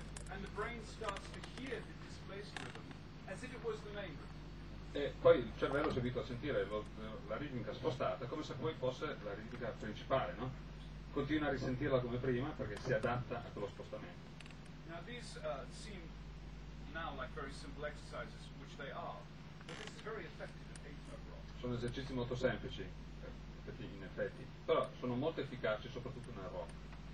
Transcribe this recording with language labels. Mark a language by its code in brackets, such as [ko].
[en] And the brain starts to hear the displaced rhythm as if it was the main. [it] E poi il cervello si abitua a sentire la ritmica spostata come se poi fosse la ritmica principale, no? Continua a risentirla come prima perché si adatta a quello spostamento. [en] Now these seem now like very simple exercises, which they are, but this is very effective in eighth note rock. [it] Sono esercizi molto semplici, in effetti, però sono molto efficaci soprattutto nel rock.